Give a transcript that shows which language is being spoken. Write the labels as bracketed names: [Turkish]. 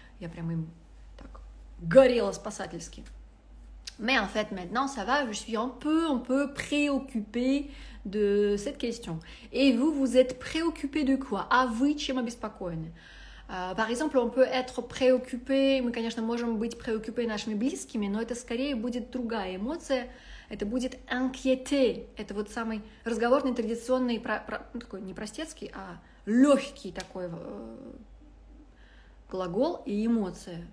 [Russian] Я прям им так горела спасательски. [French] Mais en fait, maintenant, ça va, je suis un peu préoccupée de cette question. Et vous, vous êtes préoccupée de quoi? [Russian] А вы чем обеспокоены? [French] Par exemple, on peut être préoccupé, [Russian] мы, конечно, можем быть préoccupés нашими близкими, но это скорее будет другая эмоция. Это будет inquiété. Это вот самый разговорный, традиционный, такой не простецкий, а легкий такой глагол и эмоция.